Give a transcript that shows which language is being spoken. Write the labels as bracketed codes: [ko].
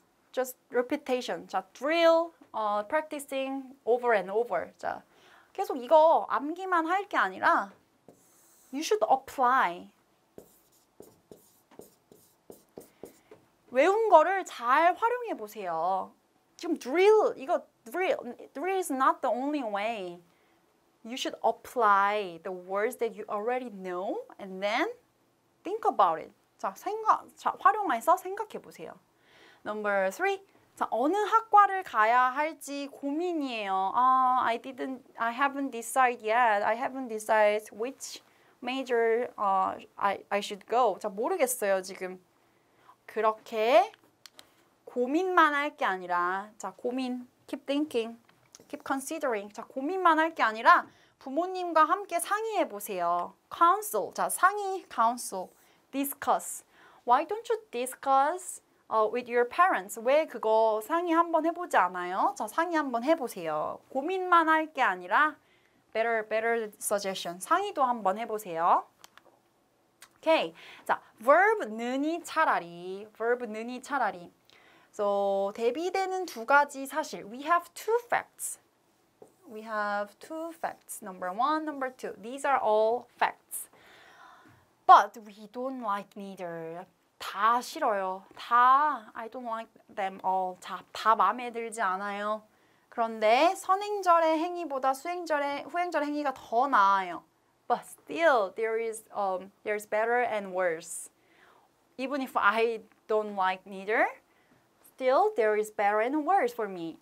[en] Just repetition. 자, drill, practicing over and over. [ko] 자, 계속 이거 암기만 할 게 아니라 [en] you should apply. [ko] 외운 거를 잘 활용해 보세요. [en] 지금 drill, 이거 drill is not the only way. You should apply the words that you already know and then think about it. [ko] 자, 활용해서 생각해 보세요. [en] Number three. [ko] 자, 어느 학과를 가야 할지 고민이에요. [en] I haven't decided yet. I haven't decided which major I should go. [ko] 자, 모르겠어요, 지금. 그렇게 고민만 할 게 아니라 자, 고민. [en] Keep thinking. Keep considering. [ko] 자, 고민만 할 게 아니라 부모님과 함께 상의해 보세요. [en] Counsel. 자, 상의, counsel. Discuss. Why don't you discuss with your parents? [ko] 왜 그거 상의 한번 해보지 않아요? 자, 상의 한번 해보세요. 고민만 할 게 아니라 [en] better suggestion. [ko] 상의도 한번 해보세요. Okay. 자, verb 느니 차라리. Verb 느니 차라리. So, 대비되는 두 가지 사실. [en] We have two facts. We have two facts. Number one, number two. These are all facts. But we don't like neither. [ko] 다 싫어요. [en] 다, I don't like them all. [ko] 자, 다 마음에 들지 않아요. 그런데 선행절의 행위보다 후행절의 행위가 더 나아요. [en] But still, there's better and worse. Even if I don't like neither, still there is better and worse for me.